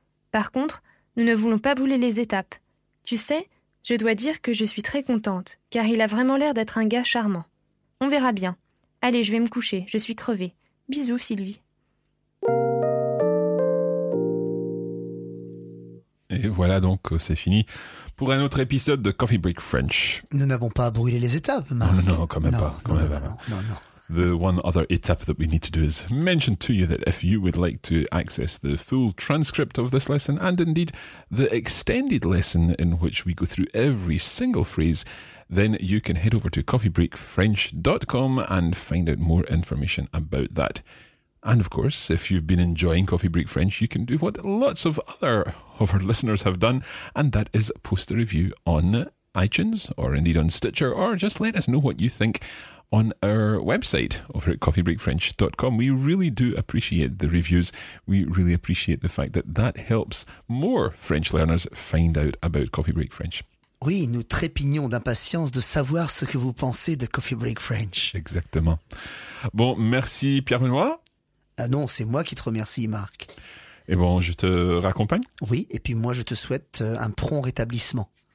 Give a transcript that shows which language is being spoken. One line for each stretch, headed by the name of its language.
French: Par contre, nous ne voulons pas brûler les étapes. Tu sais, je dois dire que je suis très contente, car il a vraiment l'air d'être un gars charmant. On verra bien. Allez, je vais me coucher, je suis crevée. Bisous, Sylvie. Et voilà donc, c'est fini pour un autre épisode de Coffee Break French. Nous n'avons pas brûlé les étapes, Marc. Non, quand même pas.
English: The one other etap that we need to do is mention to you that if you would like to access the full transcript of this lesson and indeed the extended lesson in which we go through every single phrase, then you can head over to coffeebreakfrench.com and find out more information about that. And of course, if you've been enjoying Coffee Break French, you can do what lots of other of our listeners have done, and that is post a review on iTunes or indeed on Stitcher, or just let us know what you think on our website over at coffeebreakfrench.com. We really do appreciate the reviews. We really appreciate the fact that that helps more French learners find out about Coffee Break French.
French: Oui, nous trépignons d'impatience de savoir ce que vous pensez de Coffee Break French. Exactement. Bon, merci Pierre Benoît. Ah non, c'est moi qui te remercie, Marc. Et bon, je te raccompagne. Oui, et puis moi, je te souhaite un prompt rétablissement.